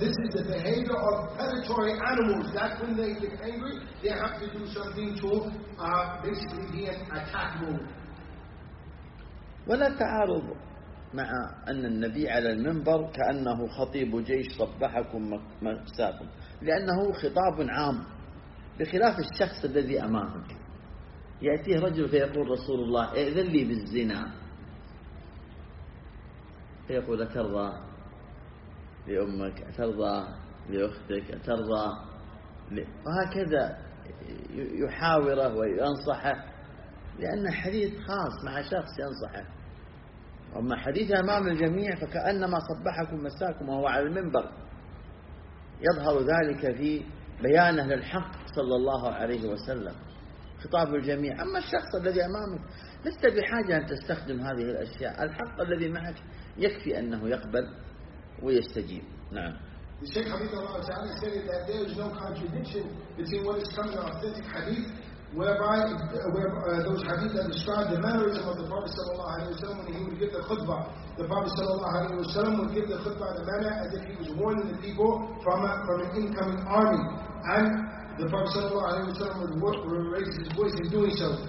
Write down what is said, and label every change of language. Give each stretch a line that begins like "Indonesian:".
English: This is the behavior of predatory animals that when they get angry they have to do something to basically be an attack mode.
Arabic: ولا تعارض مع أن النبي على المنبر كأنه خطيب جيش صبحكم مساكم, لأنه خطاب عام بخلاف الشخص الذي أمامك. يأتيه رجل فيقول رسول الله ائذن لي بالزنا, فيقول أترضى لأمك, أترضى لأختك, أترضى وهكذا يحاوره وينصحه لأن حديث خاص مع شخص ينصحه. أما حديث أمام الجميع فكأنما صبحكم مساكم وهو على المنبر, يظهر ذلك في بيانه للحق صلى الله عليه وسلم, خطاب الجميع. أما الشخص الذي أمامك لست بحاجة أن تستخدم هذه الأشياء, الحق الذي معك يكفي أنه يقبل ويستجيب. نعم.
English: الشيخ حبيب الله تعالى said that there is no contradiction between what is coming out of authentic hadith whereby those hadith that describe the mannerism of the Prophet صلى الله عليه وسلم when he would give the khutbah. The Prophet صلى الله عليه وسلم would give the khutbah in a manner as if he was warning the people from an incoming army, and the Prophet صلى الله عليه وسلم would raise his voice in doing so.